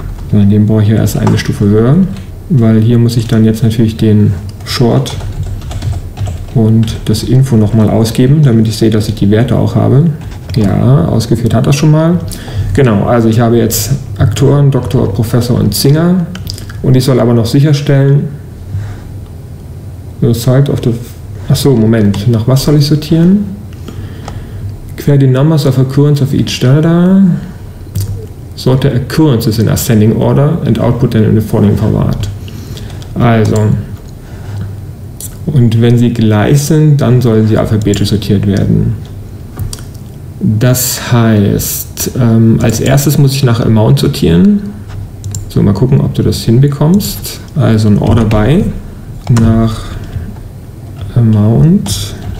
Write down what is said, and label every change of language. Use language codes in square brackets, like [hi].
[de] Sondern den brauche ich ja erst eine Stufe höher. Weil hier muss ich dann jetzt natürlich den Short und das Info nochmal ausgeben, damit ich sehe, dass ich die Werte auch habe. Ja, ausgeführt hat das schon mal. Genau, also ich habe jetzt Aktoren, Doktor, Professor und Singer. Und ich soll aber noch sicherstellen, nach was soll ich sortieren? [en] Query the numbers of occurrence of each data. Sort the occurrences in ascending order and output them in the following format. [de] Also. Und wenn sie gleich sind, dann sollen sie alphabetisch sortiert werden. Das heißt, als erstes muss ich nach Amount sortieren. So, mal gucken, ob du das hinbekommst. Also ein Order by nach Amount.